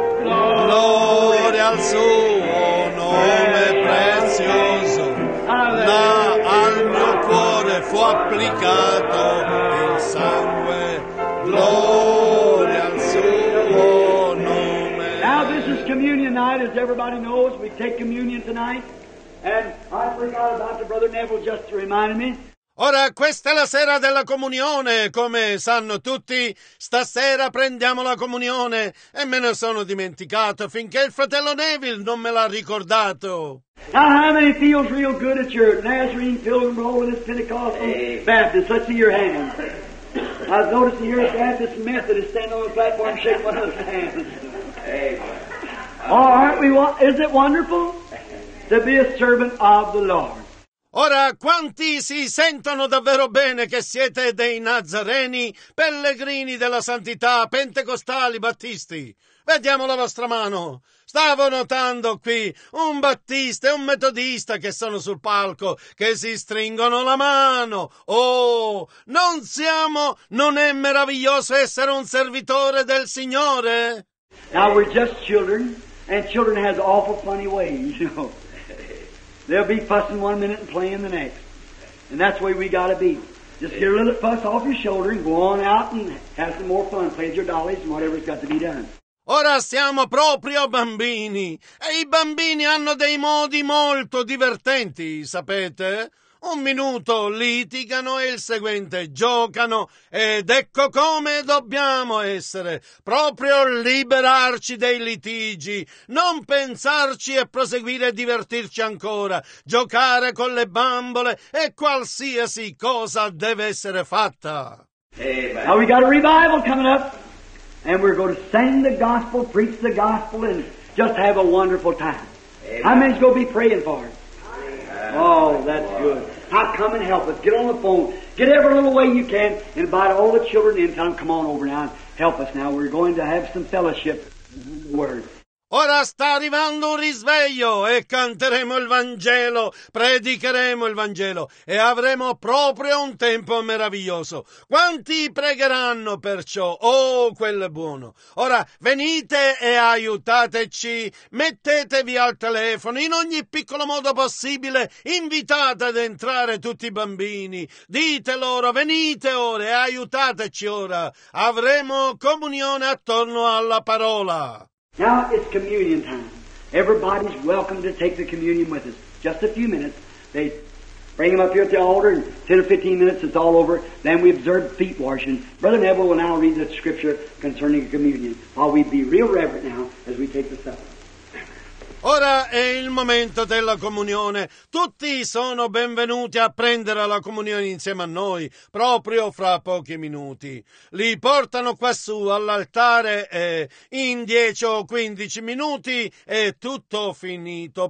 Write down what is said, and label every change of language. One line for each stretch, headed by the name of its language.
Italian: Gloria al suo nome prezioso. Là al mio cuore fu applicato il sangue, gloria al suo nome.
English: Communion night, as everybody knows, we take communion tonight, and I forgot about the brother Neville just to remind me.
Italian: Ora, questa è la sera della comunione, come sanno tutti, stasera prendiamo la comunione, e me ne sono dimenticato finché il fratello Neville non me l'ha ricordato.
English: Now how many feels real good at your Nazarene Pilgrim Holiness Pentecostal Baptist? Let's see your hands. I've noticed that you're a Baptist Methodist standing on the platform and shaking one of those hands. Amen. Is it wonderful to be a servant of the Lord?
Italian: Ora, quanti si sentono davvero bene che siete dei Nazareni, pellegrini della santità, pentecostali, battisti? Vediamo la vostra mano. Stavo notando qui un battista e un metodista che sono sul palco, che si stringono la mano. Oh, non è meraviglioso essere un servitore del Signore?
English: Now we're just children. And children has awful funny ways, you know. They'll be fussing one minute and playing the next. And that's the way we got to be. Just get a little fuss off your shoulder and go on out and have some more fun. Play with your dollies and whatever's got to be done.
Italian: Ora siamo proprio bambini. E i bambini hanno dei modi molto divertenti, sapete? Un minuto litigano e il seguente giocano, ed ecco come dobbiamo essere, proprio liberarci dei litigi, non pensarci e proseguire e divertirci ancora, giocare con le bambole e qualsiasi cosa deve essere fatta.
English: Amen. Now we got a revival coming up, and we're going to sing the gospel, preach the gospel, and just have a wonderful time. Amen. I may as well be praying for it. Oh, that's good. Now come and help us. Get on the phone. Get every little way you can. Invite all the children in. Tell them, come on over now and help us now. We're going to have some fellowship words.
Italian: Ora sta arrivando un risveglio e canteremo il Vangelo, predicheremo il Vangelo e avremo proprio un tempo meraviglioso. Quanti pregheranno perciò? Oh, quello è buono. Ora venite e aiutateci, mettetevi al telefono, in ogni piccolo modo possibile, invitate ad entrare tutti i bambini, dite loro, venite ora e aiutateci ora. Avremo comunione attorno alla parola.
English: Now it's communion time. Everybody's welcome to take the communion with us. Just a few minutes. They bring them up here at the altar, and 10 or 15 minutes, it's all over. Then we observe feet washing. Brother Neville will now read the scripture concerning communion while we be real reverent now as we take the supper.
Italian: Ora è il momento della comunione. Tutti sono benvenuti a prendere la comunione insieme a noi, proprio fra pochi minuti. Li portano quassù all'altare e in 10 o 15 minuti è tutto finito.